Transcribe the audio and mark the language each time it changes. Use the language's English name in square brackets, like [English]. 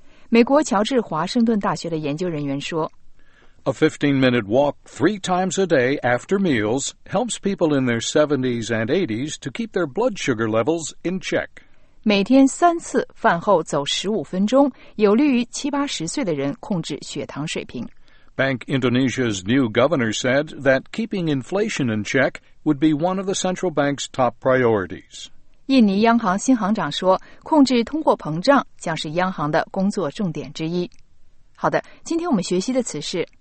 [Chinese] 美国乔治华盛顿大学的研究人员说 [English] A 15-minute walk three times a day after meals helps people in their 70s and 80s to keep their blood sugar levels in check. [Chinese] 每天三次饭后走15分钟有利于七八十岁的人控制血糖水平。 [English] Bank Indonesia's new governor said that keeping inflation in check would be one of the central bank's top priorities. [Chinese] 印尼央行新行长说，控制通货膨胀将是央行的工作重点之一。好的，今天我们学习的词是